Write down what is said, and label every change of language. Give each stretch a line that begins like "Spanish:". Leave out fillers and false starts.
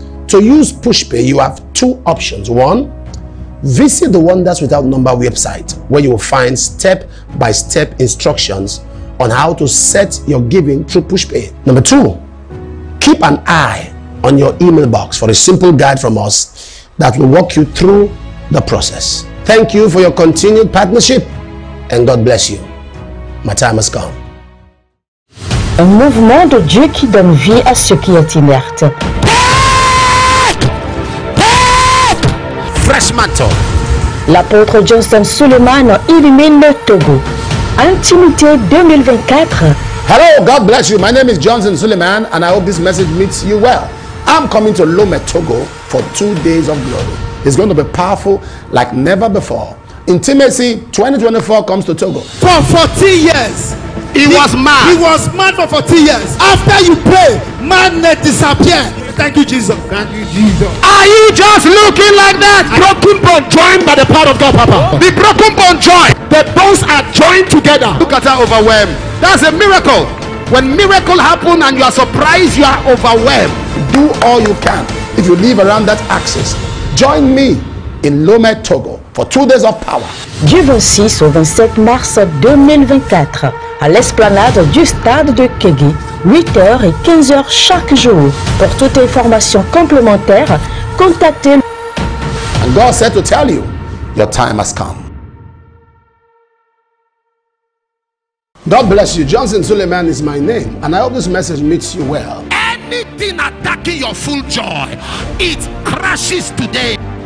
English: To use PushPay, you have two options. One, visit the Wonders Without Number website, where you will find step-by-step instructions on how to set your giving through PushPay. Number two, keep an eye on your email box for a simple guide from us that will walk you through the process. Thank you for your continued partnership, and God bless you. My time has come.
French: Un mouvement de Dieu qui donne vie à ce qui est inerte.
English: Fresh mantle.
French: L'apôtre Johnson Suleman illumine le Togo. Intimité 2024.
English: Hello, God bless you. My name is Johnson Suleman and I hope this message meets you well. I'm coming to Lome, Togo for 2 days of glory. It's going to be powerful like never before. Intimacy 2024 comes to Togo. For 40 years. He was mad. He was mad for 40 years. After you pray, madness disappeared. Thank you, Jesus. Thank you, Jesus. Are you just looking like that? Broken bone joined by the power of God, Papa. The broken bone joined. The bones are joined together. Look at her overwhelmed. That's a miracle. When miracle happen and you are surprised, you are overwhelmed. Do all you can. If you live around that axis, join me in Lome, Togo for 2 days of power.
French: Du 26 au 27 mars 2024 à l'esplanade du stade de Kégué, 8h et 15h chaque jour. Pour toute information complémentaire, contactez.
English: And God said to tell you, your time has come. God bless you. Johnson Suleman is my name and I hope this message meets you well. Anything attacking your full joy, it crashes today.